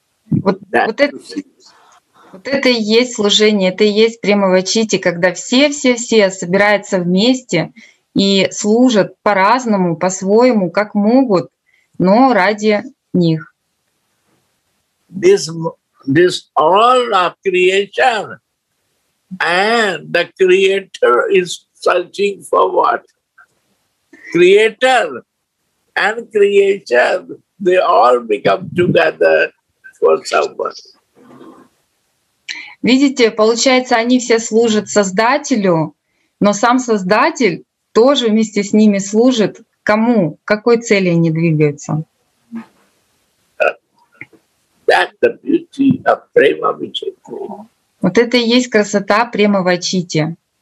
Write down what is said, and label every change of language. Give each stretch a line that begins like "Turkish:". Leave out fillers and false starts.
Russian: Вот это и есть служение, это и есть према-вачити, когда все-все-все собираются вместе и служат по-разному, по-своему, как могут, но ради них.
English: This all of creation, and the creator is searching for what? Creator and creation, they all become together for someone.
Russian: Видите, получается, они все служат Создателю, но сам Создатель тоже вместе с ними служит кому? Какой цели они двигаются? Вот это и есть красота према вачити.